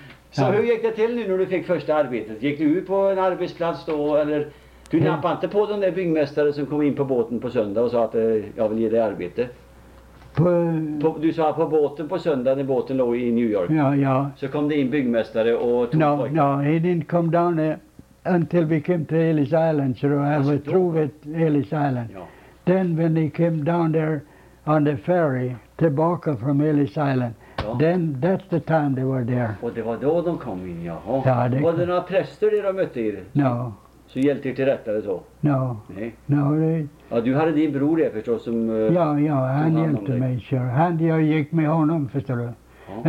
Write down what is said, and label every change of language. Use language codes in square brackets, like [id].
[sv] Så ja. Hur gick det till nu när du fick första arbetet? Gick du ut på en arbetsplats då, eller du nappade inte på den där byggmästaren som kom in på båten på söndag och sa att jag vill ge dig arbete? På, du sa på båten på söndag när båten låg i New York. Ja, ja. Så kom det in byggmästare och tog [en] no, [sv] pojken. [en] No, he didn't come down until we came to Ellis Island. So I was through at Ellis Island. [sv] Ja. [en] Then when he came down there on the ferry, [sv] tillbaka från Ellis Island. Ja. [en] Then, that's the time they were there. [sv] Och det var då de kom in, jaha. Ja, det... Var det några präster de mötte er? [en] No. [sv] Så hjälpte er till rätta eller så? [en] No. [sv] Nej. [en] No, they... [sv] Ja, du hade din bror där förstås som... Ja, ja, han hjälpte mig, [en] sure. [sv] Han, jag gick med honom, förstår du. Ja.